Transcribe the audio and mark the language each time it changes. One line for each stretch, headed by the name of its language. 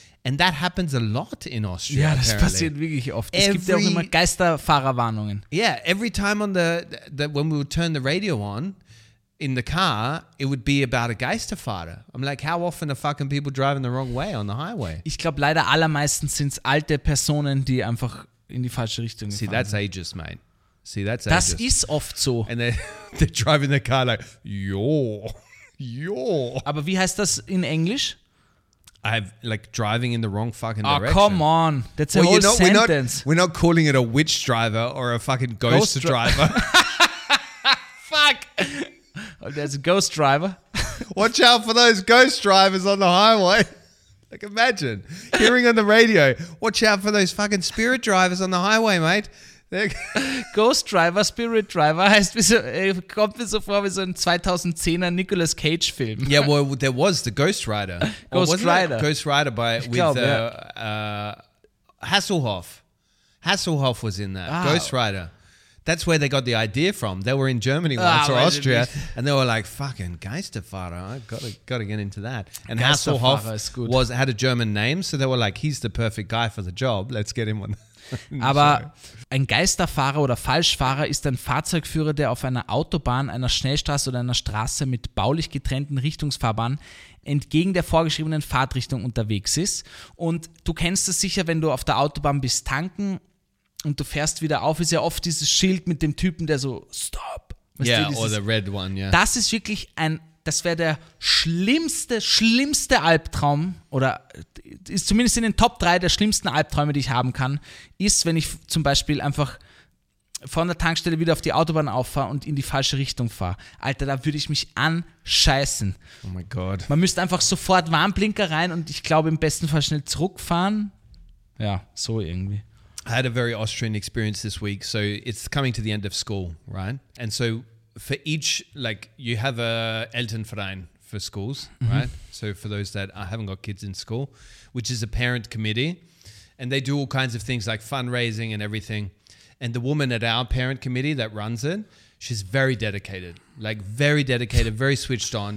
English: And that happens a lot in Austria.
German: Ja,
English: apparently.
German: Das passiert wirklich oft. Es gibt ja auch immer Geisterfahrerwarnungen.
English: Yeah, every time on the when we would turn the radio on in the car, it would be about a Geisterfahrer. I'm like, how often are fucking people driving the wrong way on the highway?
German: Ich glaube, leider allermeistens sind es alte Personen, die einfach in die falsche Richtung
English: See,
German: gefahren
English: that's
German: sind.
English: Ages, mate. See, that's
German: das
English: ages.
German: Ist oft so.
English: And they're driving the car like, yo.
German: Aber wie heißt das in Englisch?
English: I'm like driving in the wrong fucking oh, direction. Oh, come on. That's a well, whole sentence. We're not calling it a witch driver or a fucking ghost driver. Fuck. Oh, there's a ghost driver. Watch out for those ghost drivers on the highway. Like imagine hearing on the radio, watch out for those fucking spirit drivers on the highway, mate.
German: Ghost Driver, Spirit Driver heißt, wie so, kommt mir so vor wie so ein 2010er Nicolas Cage Film.
English: Yeah, well, there was the Ghost Rider. Ghost Rider by Hasselhoff. Hasselhoff was in that. Wow. Ghost Rider. That's where they got the idea from. They were in Germany once or Austria, and they were like, "Fucking Geisterfahrer, I've got to get into that." And Hasselhoff had a German name, so they were like, "He's the perfect guy for the job. Let's get him one."
German: Aber ein Geisterfahrer oder Falschfahrer ist ein Fahrzeugführer, der auf einer Autobahn, einer Schnellstraße oder einer Straße mit baulich getrennten Richtungsfahrbahnen entgegen der vorgeschriebenen Fahrtrichtung unterwegs ist. Und du kennst das sicher, wenn du auf der Autobahn bist tanken und du fährst wieder auf, ist ja oft dieses Schild mit dem Typen, der so, stop. Yeah, or the red one, yeah. Das ist wirklich ein, das wäre der schlimmste Albtraum, oder ist zumindest in den Top 3 der schlimmsten Albträume, die ich haben kann, ist, wenn ich zum Beispiel einfach von der Tankstelle wieder auf die Autobahn auffahre und in die falsche Richtung fahre. Alter, da würde ich mich anscheißen. Oh mein Gott. Man müsste einfach sofort Warnblinker rein und ich glaube im besten Fall schnell zurückfahren. Ja, so irgendwie.
English: I had a very Austrian experience this week. So it's coming to the end of school, right? And so for each, like, you have a Elternverein for schools, mm-hmm. right? So for those that haven't got kids in school, which is a parent committee. And they do all kinds of things like fundraising and everything. And the woman at our parent committee that runs it, she's very dedicated, like very dedicated, very switched on.